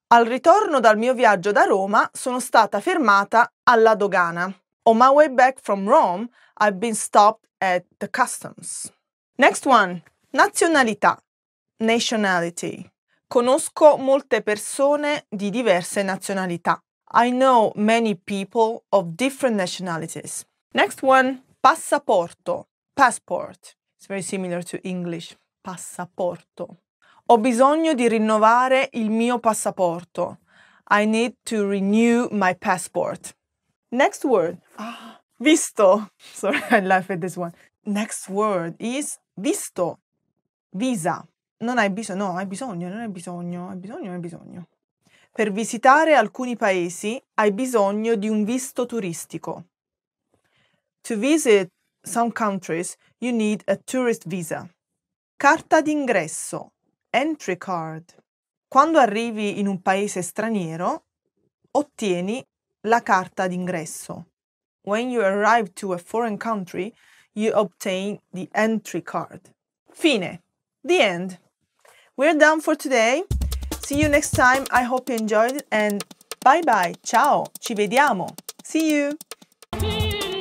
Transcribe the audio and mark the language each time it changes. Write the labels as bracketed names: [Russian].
[Italian] Al ritorno dal mio viaggio da Roma, sono stata fermata alla dogana. [English] On my way back from Rome, I've been stopped at the customs. Next one. Nazionalità. Nationality. [Italian] Conosco molte persone di diverse nazionalità. [English] I know many people of different nationalities. Next one. Passaporto. Passport. It's very similar to English. [Italian] Passaporto. Ho bisogno di rinnovare il mio passaporto. [English] I need to renew my passport. Next word. Visto. Sorry, I laugh at this one. Next word is visto. Visa. [Italian] Non hai bisogno. No, hai bisogno. Non hai bisogno. Hai bisogno. [English] Hai bisogno. [Italian] Per visitare alcuni paesi, hai bisogno di un visto turistico. [English] To visit some countries, you need a tourist visa. [Italian] Carta d'ingresso. [English] Entry card. [Italian] Quando arrivi in un paese straniero, ottieni la carta d'ingresso. [English] When you arrive to a foreign country, you obtain the entry card. Fine. The end. We're done for today. See you next time. I hope you enjoyed it and bye bye. [Italian] Ciao. Ci vediamo. [English] See you.